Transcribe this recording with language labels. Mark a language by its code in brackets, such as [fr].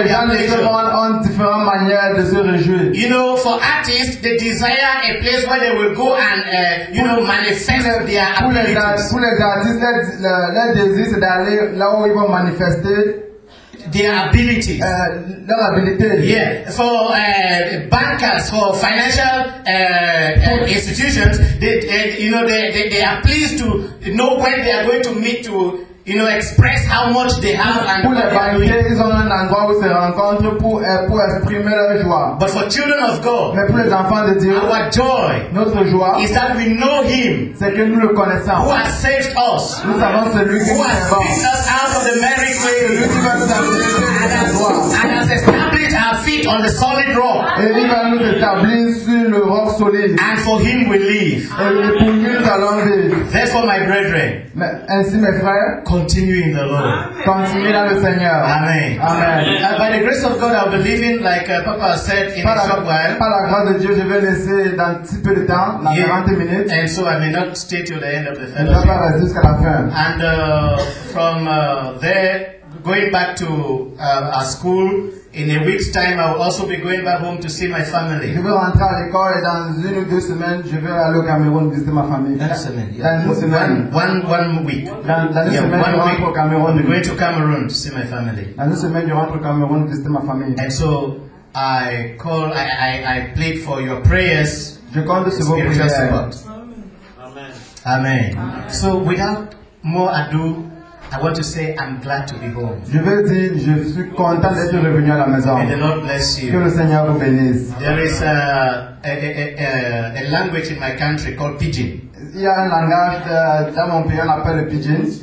[en] You know, for artists, they desire a place where they will go and manifest their abilities. [fr] Leur habilité. [en] Yeah. For bankers, for financial institutions, they are pleased to know when they are going to meet to express how much they have and [fr] pour les banquiers, ils ont un endroit où se rencontrent pour exprimer leur joie. [en] But for children of God, [fr] mais pour les enfants de Dieu, [en] our joy, [fr] notre joie, [en] is that we know Him, [fr] c'est que nous le connaissons, [en] who has saved us, [fr] nous savons celui qui nous sauve, [en] who has picked us out of the merry way, [fr] celui qui va nous amener à la joie, [en] and has established our feet on the solid rock, [fr] et il va nous établir sur le roc solide, [en] and for Him we live, [fr] et pour lui nous allons vivre. [en] Therefore, my brethren, [fr] ainsi mes frères. [en] Continue in the Lord. [fr] Continue dans le Seigneur. [en] Amen. Amen. By the grace of God, I'll be leaving, like Papa said, in a short while. [fr] Par la grâce de Dieu, je vais laisser dans un petit peu de temps, dans 40 minutes. [en] And so I may not stay till the end of the fellowship. [fr] Je ne vais pas rester jusqu'à la fin. [en] And from there, going back to our school, in a week's time, I'll also be going back home to see my family. [fr] Je vais rentrer à l'école et dans une ou deux semaines, je vais aller au Cameroun visiter ma famille. [en] One week. [fr] Dans une semaine, je rentre au Cameroun. [en] I'm going to Cameroon to see my family. [fr] Dans une semaine, je rentre au Cameroun visiter ma famille. [en] And so, I plead for your prayers. [fr] Je compte sur vos prières. [en] Amen. Amen. So, without more ado, I want to say I'm glad to be home. [fr] Je veux dire, je suis content d'être revenu à la maison. [en] May the Lord bless you. [fr] Que le Seigneur vous bénisse. [en] There is a language in my country called Pidgin. [fr] Il y a un langage dans mon pays, on appelle le Pidgin.